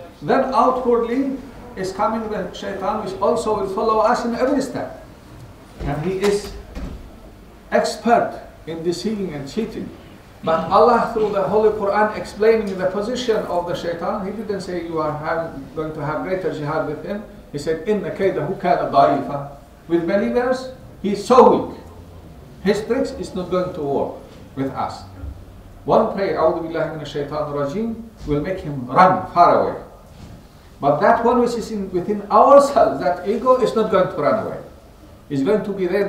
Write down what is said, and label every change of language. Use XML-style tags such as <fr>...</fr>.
<en>Then outwardly is coming the shaitan, which also will follow us in every step. And he is expert in deceiving and cheating. But Allah, through the Holy Quran, explaining the position of the shaitan, he didn't say you are going to have greater jihad with him. He said,</en> <ar>إِنَّ كَيْدَهُ كَانَ ضَعِيفًا.</ar> <en>With believers, he is so weak. His tricks is not going to work with us. One prayer,</en> <ar>أَعُوذُ بِاللَّهِ مِنَ الشَّيْطَانِ الرَّجِيمِ,</ar> <en>will make him run far away. But that one which is within ourselves, that ego, is not going to run away. It's going to be there.</en>